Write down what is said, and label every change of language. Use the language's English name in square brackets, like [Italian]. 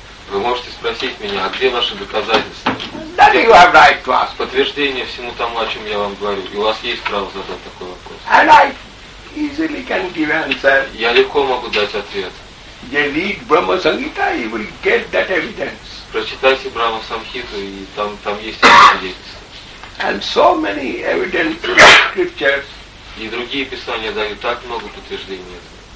[Russian] Вы можете спросить меня, а где ваши доказательства? [English] Да, you have right to ask. [Russian] Подтверждение всему тому, о чем я вам говорю. И у вас есть право задать такой вопрос. [English] And I easily can give answer. [Russian] Я легко могу дать ответ. [English] You read Brahma Sanghita, you will get that evidence. [Russian] Прочитайте Брахма Самхиту, и там есть свидетельство. [English] And so many evidence scriptures. [Russian] И другие писания дают так много подтверждений этого.